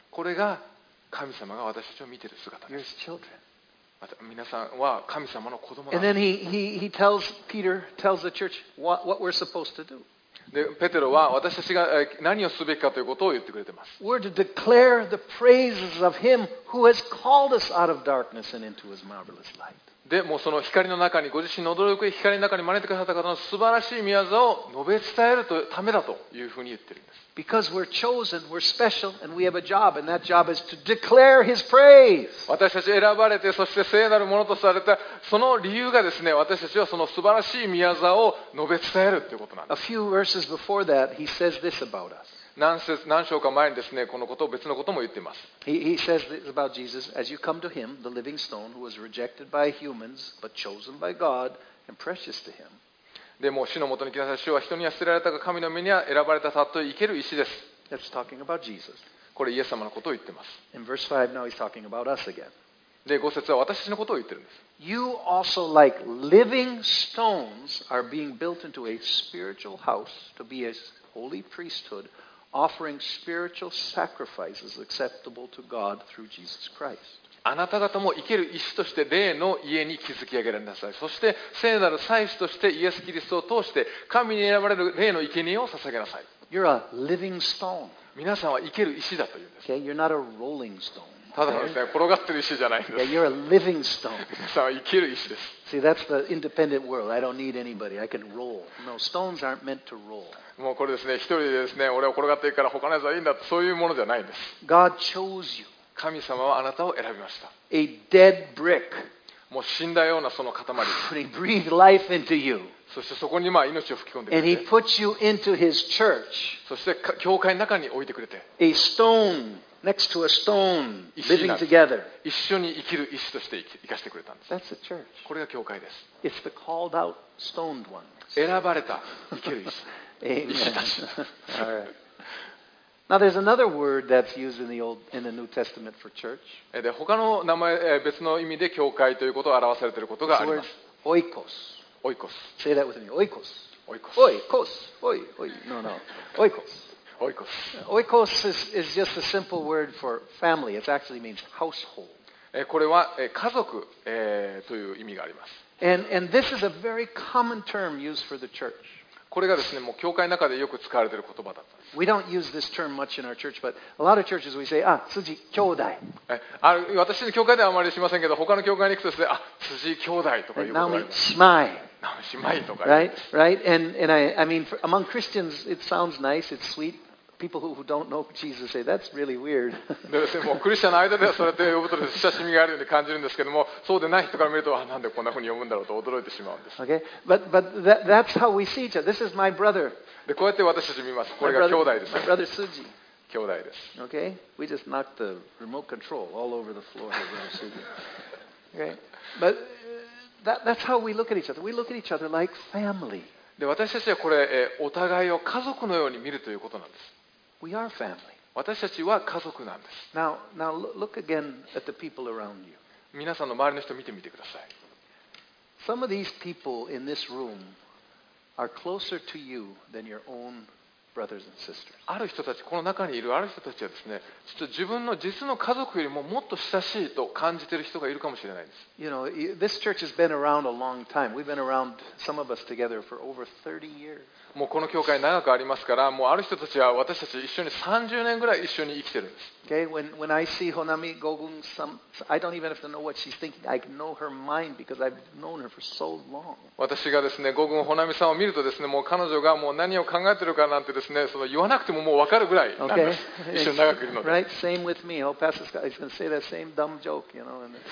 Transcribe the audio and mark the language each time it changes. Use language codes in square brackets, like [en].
[ja] これが神様が私たちを見ている姿です。 [en] You're His children. [ja] また皆さんは神様の子供なんです。 [en] And then he tells Peter, tells the church what we're supposed to do. [ja] でペテロは私たちが何をすべきかということを言ってくれています。 [en] We're to declare the praises of him who has called us out of darkness and into his marvelous light. [ja] でもうその光の中にご自身の驚く光の中に招いてくださった方の素晴らしい御業を述べ伝えるためだというふうに言っているんです。 [en] Because we're chosen, we're special, and we have a job, and that job is to declare his praise. [ja] 私たち選ばれてそして聖なるものとされたその理由がですね、私たちはその素晴らしい御業を述べ伝えるということなんです。 [en] A few verses before that, he says this about us. [ja] 何章か前にですね、このことを別のことも言っています。 [en] He says this about Jesus, as you come to him, the living stone who was rejected by humans, but chosen by God and precious to him. [ja] でも主のもとに来なさい。主は人には捨てられたが、神の目には選ばれたたとえ生ける石です。 [en] That's talking about Jesus. [ja] これイエス様のことを言っています。 [en] In verse 5, now he's talking about us again. [ja] で、五節は私のことを言ってるんです。 [en] You also, like living stones, are being built into a spiritual house to be a holy priesthood, offering spiritual sacrifices acceptable to God through Jesus Christ. [ja] あなた方も生ける石として霊の家に築き上げられなさい。そして聖なる祭司としてイエス・キリストを通して神に選ばれる霊の生贄を捧げなさい。 [en] You're a living stone. [ja] 皆さんは生ける石だというんです。 [en] Okay, you're not a rolling stone. [ja] ただですね、転がってる石じゃないんです。 [en] Yeah, you're a living stone. [ja] 皆さんは生きる石です。 [en] See, that's the independent world. I don't need anybody. I can roll. No, stones aren't meant to roll. [ja] もうこれですね、一人でですね、俺は転がっていくから他のやつはいいんだと、そういうものじゃないんです。 [en] God chose you. [ja] 神様はあなたを選びました。 [en] A dead brick. [ja] もう死んだようなその塊。 [en] And he breathed life into you. [ja] そしてそこにまあ命を吹き込んでくれて。 [en] And he put you into his church. [ja] そして教会の中に置いてくれて。 [en] A stone. Next to a stone, living together. [ja] 一緒に生きる石として生かしてくれたんです。 [en] That's the church. [ja] これが教会です。 [en] It's the called out stoned ones. [ja] 選ばれた生きる石。 [en] Amen. [ja] 石たち。 [en] All right. Now there's another word that's used in the New Testament for church. [ja] で、他の名前、別の意味で教会ということを表されていることがあります。 [en] So、oikos. Oikos. Say that with me. Oikos. Oikos. Oikos. No. Oikos. Oikos. Oikos is just a simple word for family. It actually means household. [ja] これは家族という意味があります。 [en] And this is a very common term used for the church. [ja] これがですね、もう教会の中でよく使われている言葉だったんです。 [en] We don't use this term much in our church, but a lot of churches we say, ah, [ja] 辻兄弟。私の教会ではあまりしませんけど、他の教会に行くとですね、あ、辻兄弟とかいうことがあります。 Naomi, 姉妹。姉妹とか [en] right, and I mean, for, among Christians, it sounds nice, it's sweet. People who don't know Jesus say that's really weird. [ja] クリスチャンの間ではそれって呼ぶと親しみがあるように感じるんですけども、そうでない人から見るとあ、なんでこんな風に呼ぶんだろうと驚いてしまうんです。 [en] Okay, but that's how we see each other. This is my brother. [ja] でこうやって私たち見ます。これが兄弟です。 [en] My brother Suji. [ja] 兄弟です。 [en] Okay, we just knocked the remote control all over the floor here, Suji. Okay, but That's how we look at each other. We look at each other like family. [ja] で、私たちはこれ、お互いを家族のように見るということなんです。 [en] We are family. [ja] 私たちは家族なんです。 [en] Now look again at the people around you. [ja] 皆さんの周りの人を見てみてください。 [en] Some of these people in this room are closer to you than your own brothers and sisters. [ja] ある人たち、この中にいるある人たちはですね、ちょっと自分の実の家族よりももっと親しいと感じている人がいるかもしれないです。 [en] You know, this church has been around a long time. We've been around some of us together for over 30 years. [ja] もうこの教会長くありますから、もうある人たちは私たち一緒に30年ぐらい一緒に生きているんです。 [en] Okay, when I see Honami Gogun, I don't even have to know what she's thinking. I know her mind because I've known her for so long. [ja] 私がですね、Gogun Honami さんを見るとですね、もう彼女がもう何を考えているかなんてですね、その言わなくてももう分かるぐらいなんです。 [en] Okay. [ja] 一緒に長くいるので。 [en] Right, same with me. Oh, Pastor Scott, he's going to say that same dumb joke, you know.